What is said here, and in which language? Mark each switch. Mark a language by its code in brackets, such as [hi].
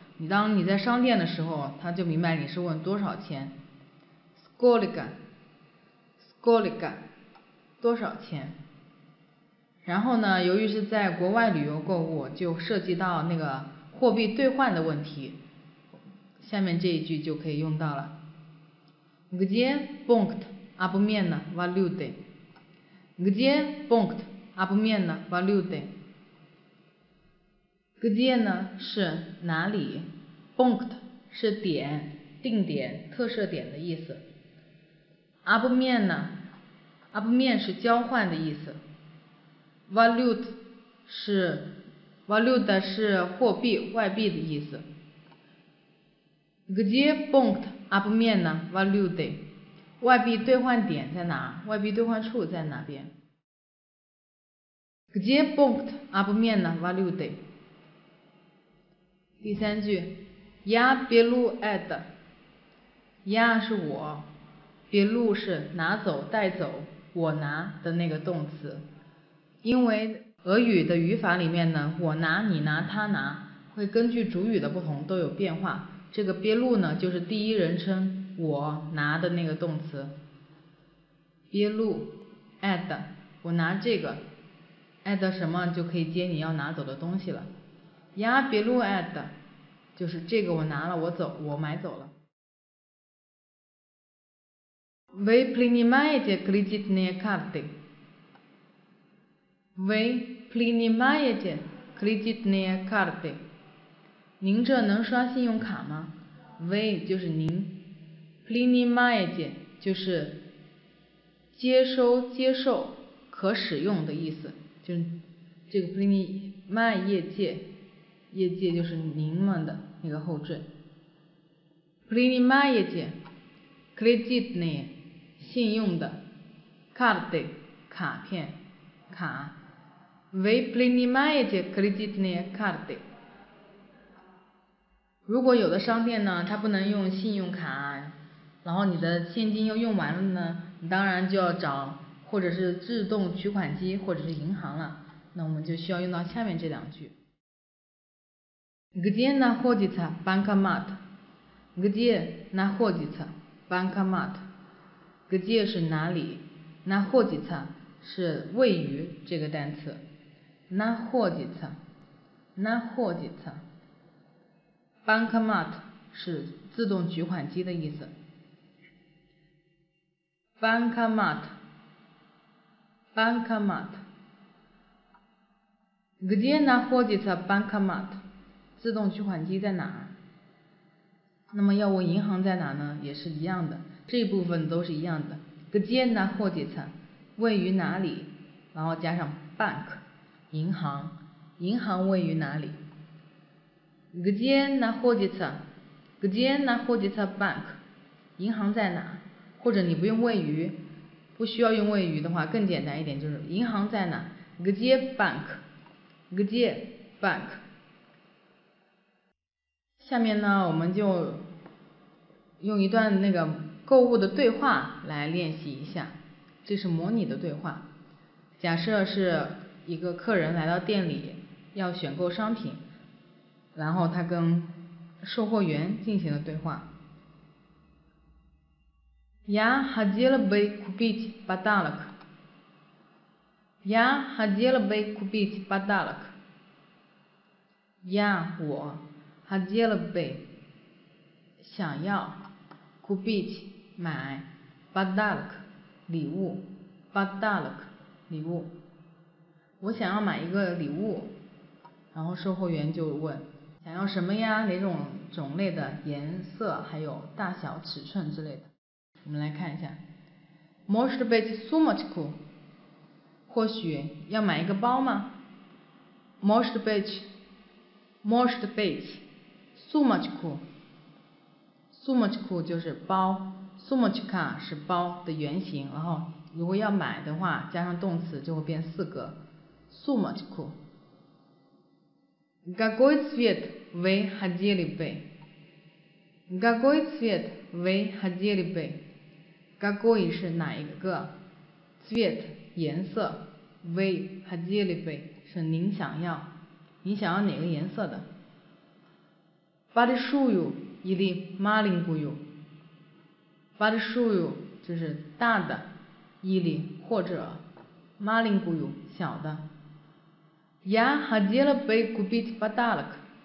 [zh] 你当你在商店的时候，他就明白你是问多少钱。 [ru] сколько。 сколько， [zh] 多少钱？然后呢，由于是在国外旅游购物，就涉及到那个货币兑换的问题，下面这一句就可以用到了。 [ru] где пункт обмена валюты？ где пункт обмена валюты？ [zh] где 呢是哪里， пункт 是点、定点、特设点的意思。 обмена обмен是交换的意思， валют 是 валют 是货币、外币的意思。 [ru] где пункт обмена валюты？ [zh] 外币兑换点在哪？外币兑换处在哪边？ [ru] где пункт обмена валюты？ [zh] 第三句， [ru] я беру это， [zh] я 是我，беру 是拿走、带走，我拿的那个动词。因为俄语的语法里面呢，我拿、你拿、他拿会根据主语的不同都有变化，这个别录呢就是第一人称我拿的那个动词。别录 add， 我拿这个 add 什么就可以接你要拿走的东西了。呀别录 add， 就是这个我拿了，我走，我买走了。 [ru] Вы принимаете кредитные карты? Вы принимаете кредитные карты? [zh] 您这能刷信用卡吗？ Вы 就是您， принимаете 就是接收、接受、可使用的意思，就是这个 принимаете， 业界就是您们的那个后缀。 [ru] принимаете кредитные [zh] 信用的 карты 卡片卡。 [ru] Вы принимаете кредитные карты？ [zh] 如果有的商店呢，它不能用信用卡，然后你的现金又用完了呢，你当然就要找或者是自动取款机或者是银行了。那我们就需要用到下面这两句。 [ru] Где находится банкомат？ Где находится банкомат？ [zh] где 是哪里，那霍几次是位于这个单词，那霍几次，那霍几次。 bankomat 是自动取款机的意思。 [ru] bankomat bankomat где 那霍几次 bankomat， [zh] 自动取款机在哪？那么要问银行在哪呢，也是一样的，这部分都是一样的。 [ru] где находится？ [zh] 位于哪里？然后加上 bank， 银行。银行位于哪里？ [ru] где находится？ где находится bank？ [zh] 银行在哪？或者你不用位于，不需要用位于的话，更简单一点，就是银行在哪？ [ru] где bank？ где bank？ [zh] 下面呢，我们就用一段那个购物的对话来练习一下，这是模拟的对话。假设是一个客人来到店里要选购商品，然后他跟售货员进行了对话。 [ru] Я хотел бы купить подарок. Я хотел бы купить подарок. Я 我 хотел бы [zh] 想要 [ru] купить买 подарок [zh] 礼物， [ru] подарок 礼物。 [zh] 我想要买一个礼物。然后售后员就问，想要什么呀？哪种种类的？颜色还有大小尺寸之类的。我们来看一下。 [ru] Может быть сумочку？ [zh] 或许要买一个包吗？ [ru] Может быть？ Может быть？ Сумочку？ [zh] Сумочку 就是包， сумочка 是包的原型，然后如果要买的话，加上动词就会变四个， сумочку。 [ru] Какой цвет вы хотели бы？ Какой цвет вы хотели бы？ [zh] Какой 是哪一个？ цвет 颜色， [ru] вы хотели бы [zh] 是您想要，你想要哪个颜色的？ [ru] Большую или маленькую？ [zh] Большую 就是大的， или 或者， маленькую 小的。 [ru] Я хотела бы купить подарок.